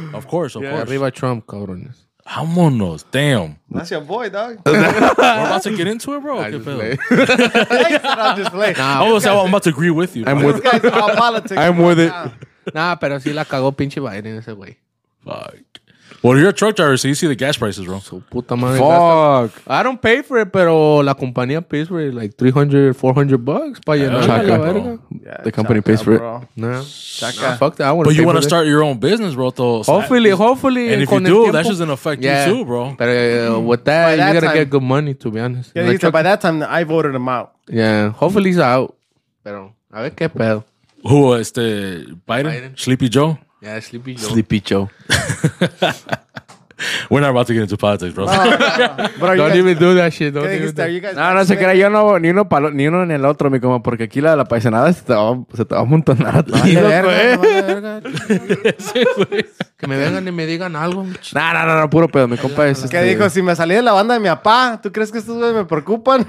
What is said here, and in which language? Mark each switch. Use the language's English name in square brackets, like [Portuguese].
[English] Of course. [Spanish] Arriba Trump, cabrones. Vámonos, damn. [English] That's your boy, dog. We're about to get into it, bro. I'm about to agree with you. I'm with it. [Spanish] Nah, pero sí la cagó pinche Biden ese güey. [English] Fuck. Well, you're a truck driver, so you see the gas prices, bro. [Spanish] So puta madre. [English] Fuck. I don't pay for it, [Spanish] pero la compañía [English] pays for it like $300-$400 [Spanish] para llenar. Chaca, [English] bro. The company pays for it. Nah, fuck that. But you want to start your own business, bro, though. Hopefully. And if you do, that's just gonna affect you too, bro. But with that, you gotta get good money, to be honest. Yeah, like, by that time, I voted him out. Yeah, hopefully he's out. [Spanish] Pero, a ver qué pedo. [English] Who, Biden? Sleepy Joe? Yeah, Sleepy Joe. We're not about to get into politics, bro. Don't even do that shit. Don't even do that. [Spanish] No, no se crea. Yo no, ni uno, palo, ni uno en el otro, mi coma, porque aquí la paisanada se te va a amontonar. Que me vengan y me digan algo. No, no, no, no, puro pedo, mi compa. Es ¿qué dijo? Si me salí de la banda de mi papá, ¿tú crees que estos güeyes me preocupan?